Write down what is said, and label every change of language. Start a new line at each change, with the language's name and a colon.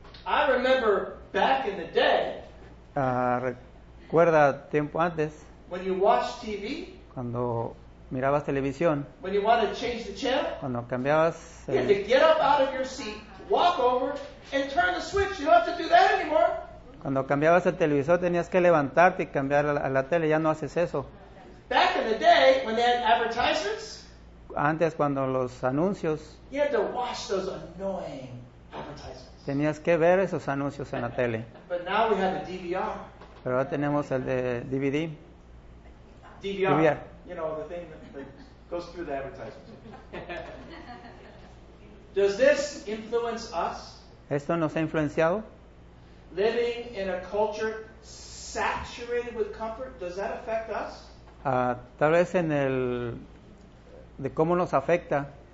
English: I remember back in the day.
Spanish: Recuerda tiempo antes.
English: When you watch TV,
Spanish: cuando mirabas televisión,
English: when you want to change the channel,
Spanish: cuando cambiabas,
English: you have to get up out of your seat, walk over, and turn the switch. You don't have to do that anymore.
Spanish: Cuando cambiabas el televisor, tenías que levantarte y cambiar a la tele. Ya no haces eso.
English: Back in the day, when they had advertisements,
Spanish: antes cuando los anuncios,
English: you had to watch those annoying advertisements.
Spanish: Tenías que ver esos anuncios en la tele.
English: But now we have a DVR.
Spanish: Pero ahora tenemos el de DVD.
English: DVR, you know, the thing that goes through the advertisement. Does this influence us?
Spanish: ¿Esto nos ha influenciado?
English: Living in a culture saturated with comfort, does that affect us?
Spanish: Tal vez en el de cómo nos afecta.